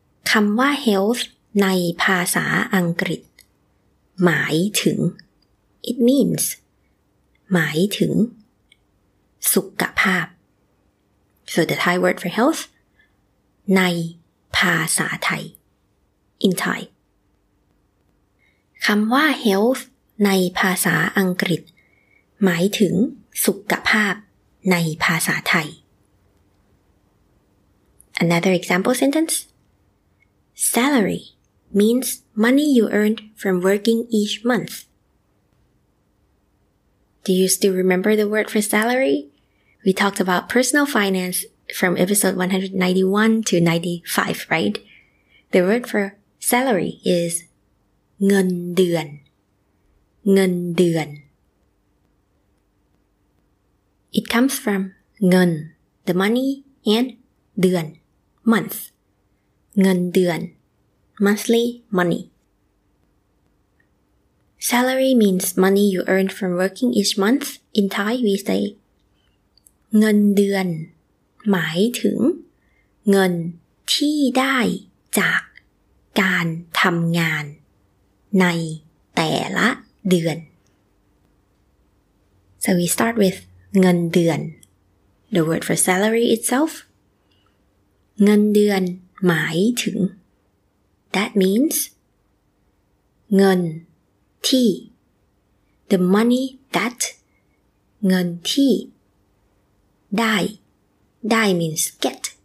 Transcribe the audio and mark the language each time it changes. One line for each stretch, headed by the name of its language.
English: คำว่า health
Thai: ในภาษาอังกฤษหมายถึง
English: it means หมายถึงสุขภาพSo the Thai word for health,
Thai: ในภาษาไทย
English: in Thai.
Thai: คำว่า health ในภาษาอังกฤษหมายถึงสุขภาพในภาษาไทย
English: Another example sentence. Salary means money you earned from working each month. Do you still remember the word for salary? We talked about personal finance. From episode 191 to 95, right? The word for salary is เงินเดือน เงินเดือน It comes from เงิน the money, and เดือน month. เงินเดือน monthly money. Salary means money you earn from working each month. In Thai, we say
Thai: เงินเดือนหมายถึงเงินที่ได้จากการทำงานในแต่ละเดือน
English: So we start with เงินเดือน The word for salary itself
Thai: เงินเดือนหมายถึง
English: That means เงินที่ The money that เงินที่ได้ได้ means get.